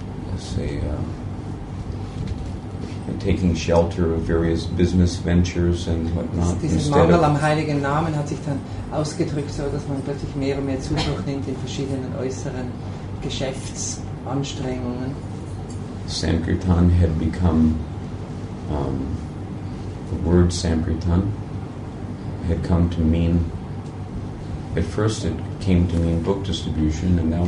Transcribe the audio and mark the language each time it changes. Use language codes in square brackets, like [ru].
[en] let's say taking shelter of various business ventures and whatnot. [de] Dieses Mangel am Heiligen Namen hat sich dann ausgedrückt so, dass man plötzlich mehr und mehr Zuflucht nimmt in verschiedenen äußeren Geschäftsanstrengungen. [en] Sankirtan had become the word Sankirtan had come to mean, at first it came to mean book distribution, and now